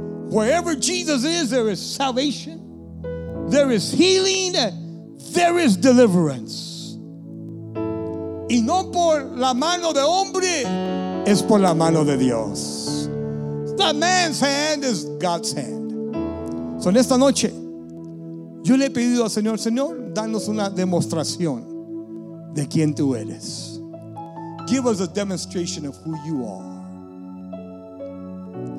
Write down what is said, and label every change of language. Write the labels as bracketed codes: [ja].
[en] Wherever Jesus is, there is salvation, there is healing, there is deliverance. [es] Y no por la mano de hombre, es por la mano de Dios. [en] The man's hand is God's hand. [es] So en esta noche, yo le he pedido al Señor: Señor, danos una demostración de quién tú eres. [en] Give us a demonstration of who you are.